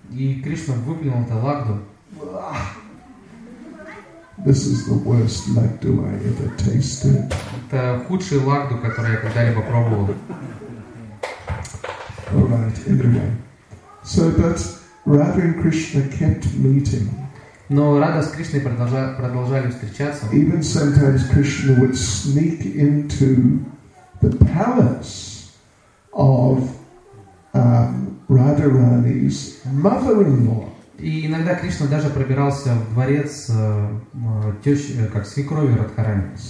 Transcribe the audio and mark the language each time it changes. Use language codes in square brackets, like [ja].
[ru] И Кришна выплюнул это лагду. [en] This is the worst lagdu I ever tasted. [ru] Это худший лагду, который я когда-либо пробовал. [en] All right, anyway. So, but Radha and Krishna kept meeting. [ru] Но Радха с Кришной продолжали встречаться. [en] Even sometimes Krishna would sneak into the palace of Radharani's mother-in-law. [ru] И иногда Кришна даже пробирался в дворец свекрови Радхарани.